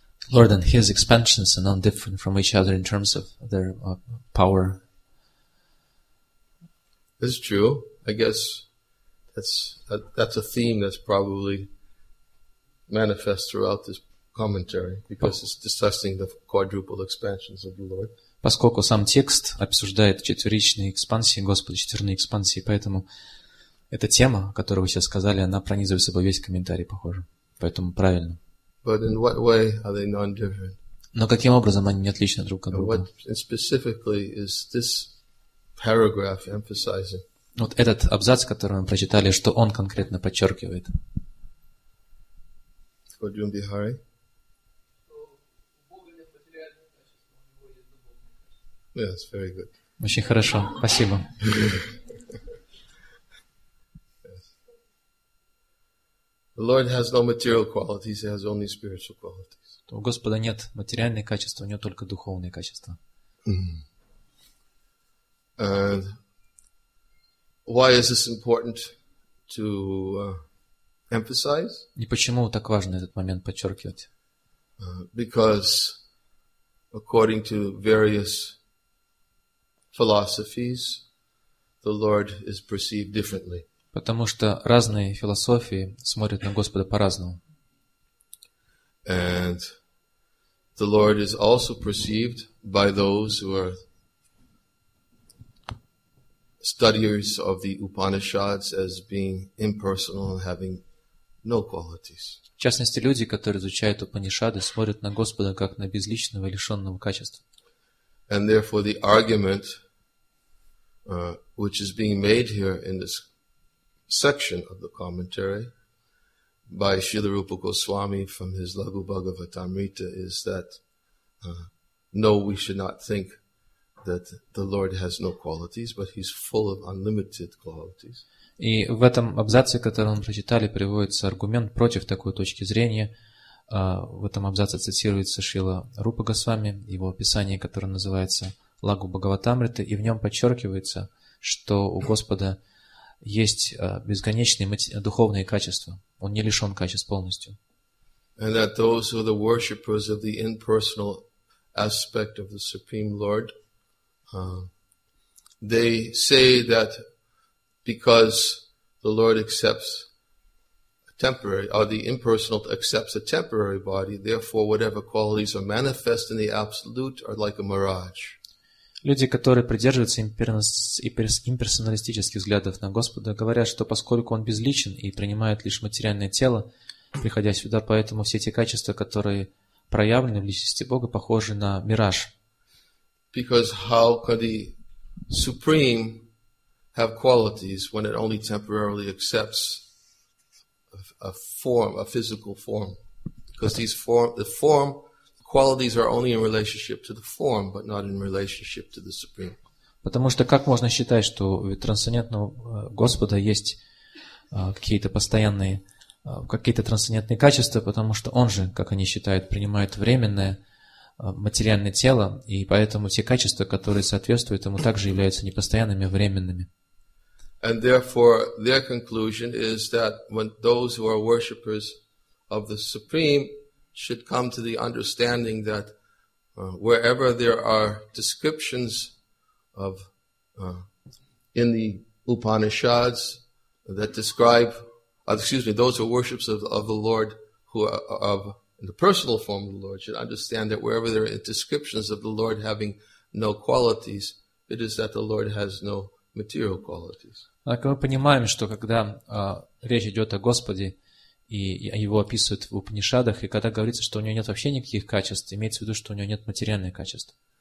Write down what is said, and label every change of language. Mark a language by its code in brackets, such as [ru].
[en] Lord and his expansions are not different from each other in terms of their power. It's true. I guess that's a theme that's probably manifest throughout this commentary because it's discussing the quadruple expansions of the Lord. [ru] Поскольку сам текст обсуждает четверичные экспансии Господа, четверные экспансии, поэтому эта тема, о которой вы сейчас сказали, она пронизывает собой весь комментарий, похоже. Поэтому правильно. [en] But in what way are they non-different? [ru] Но каким образом они не отличны друг от друга? [en] And specifically is this paragraph emphasizing. [ru] Вот этот абзац, который мы прочитали, что он конкретно подчеркивает? Ходжун Бихари? [en] Yes, very good. [ru] Очень хорошо, спасибо. [en] Yes. The Lord has no material qualities, he has only spiritual qualities. [ru] У Господа нет материальных качеств, у него только духовные качества. [en] And why is this important to emphasize? [ru] И почему так важно этот момент подчеркивать? [en] Because according to various philosophies, the Lord is perceived differently. [ru] Потому что разные философии смотрят на Господа по-разному. [en] And the Lord is also perceived by those who are studiers of the Upanishads as being impersonal, having no qualities. [ru] В частности, люди, которые изучают Упанишады, смотрят на Господа как на безличного, лишенного качества. [en] And therefore the argument which is being made here in this section of the commentary by Śrīla Rūpa Gosvāmī from his Laghu Bhagavatamrita is that no, we should not think that the Lord has no qualities, but he's full of unlimited qualities. [ru] И в этом абзаце, который мы прочитали, приводится аргумент против такой точки зрения. В этом абзаце цитируется Шрила Рупа Госвами, его описание, которое называется Лагу Бхагаватамрита, и в нем подчеркивается, что у Господа есть безграничные духовные качества. Он не лишен качеств полностью. [en] And that those who are the worshippers of the impersonal aspect of the Supreme Lord, they say that because the Lord accepts temporary, or the impersonal accepts a temporary body, therefore whatever qualities are manifest in the absolute are like a mirage. [ru] Люди, которые придерживаются имперсоналистических взглядов на Господа, говорят, что поскольку Он безличен и принимает лишь материальное тело, приходя сюда, поэтому все те качества, которые проявлены в личности Бога, похожи на мираж. [en] Because how could the Supreme have qualities when it only temporarily accepts a form, a physical form? Because these form, the form, qualities are only in relationship to the form, but not in relationship to the Supreme. [ru] Потому что как можно считать, что у трансцендентного Господа есть какие-то постоянные, какие-то трансцендентные качества, потому что Он же, как они считают, принимает временное материальное тело, и поэтому те качества, которые соответствуют Ему, также являются непостоянными, временными. [en] And therefore, their conclusion is that when those who are worshippers of the Supreme should come to the understanding that wherever there are descriptions of in the Upanishads that describe, those who are worships of the Lord who are of in the personal form of the Lord should understand that wherever there are descriptions of the Lord having no qualities, it is that the Lord has no material qualities. [ru] Так мы понимаем, что когда речь идет о Господе, и его описывают в Упанишадах, и когда говорится, что у него нет вообще никаких качеств, имеется в виду, что у него нет материальных качеств.